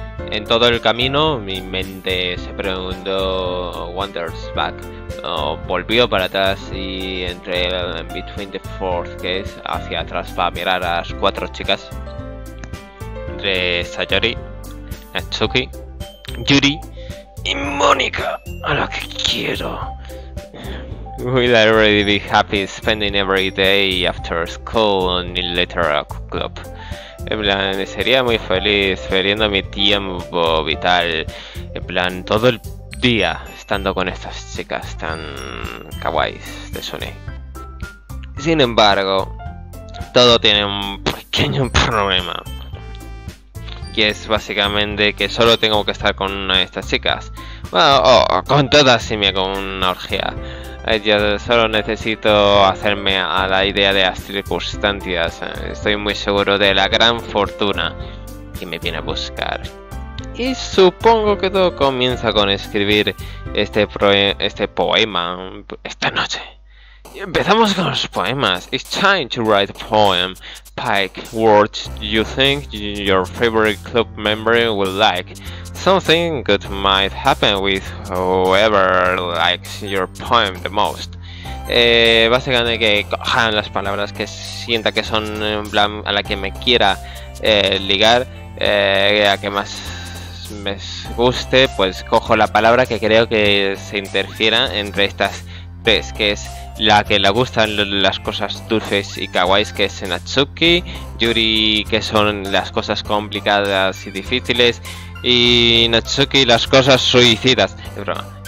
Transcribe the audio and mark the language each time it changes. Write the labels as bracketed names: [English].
[Spanish] En todo el camino, mi mente se preguntó, [English] wanders back, [Spanish] volvió para atrás y entre [English] between the fourth gates [Spanish] hacia atrás para mirar a las cuatro chicas. Entre Sayori, Natsuki, Yuri y Mónica, a la que quiero. [English] Will I really be happy spending every day after school in the literary club? [Spanish] En plan, sería muy feliz perdiendo mi tiempo vital. En plan, todo el día estando con estas chicas tan kawaiis de Sune. Sin embargo, todo tiene un pequeño problema. Y es básicamente que solo tengo que estar con una de estas chicas. Bueno, con todas si me hago una orgía. Yo solo necesito hacerme a la idea de las circunstancias. Estoy muy seguro de la gran fortuna que me viene a buscar. Y supongo que todo comienza con escribir este poema esta noche. Empezamos con los poemas. [English] It's time to write a poem. Pike, what do you think your favorite club member would like? Something good might happen with whoever likes your poem the most. [Spanish] Básicamente que cojan las palabras que sienta que son en plan a la que me quiera ligar, a que más me guste, pues cojo la palabra que creo que se interfiera entre estas tres, que es la que le gustan las cosas dulces y kawaiis, que es Natsuki, Yuri, que son las cosas complicadas y difíciles, y Natsuki, las cosas suicidas. Es broma.